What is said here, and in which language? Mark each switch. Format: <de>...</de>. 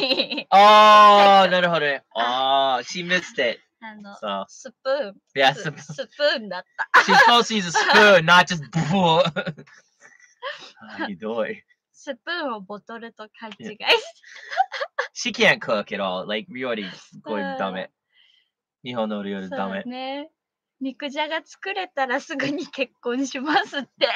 <ja>あとでこう、もう一回、あげ。ああ、なるほどね。ああ、</ja> <en>she missed it.</en> <ja>あの、スプーン。</ja> <en>Yeah,</en> <ja>スプーンだった。</ja> <en>She's supposed to use a spoon, not just bowl.</en> <ja>ひどい。スプーンをボトルと勘違いし。</ja> <en>She can't cook at all. Like, really,</en> <ja>すごいダメ。日本の料理ダメ。そうね。肉じゃが作れたらすぐに結婚しますって。</ja>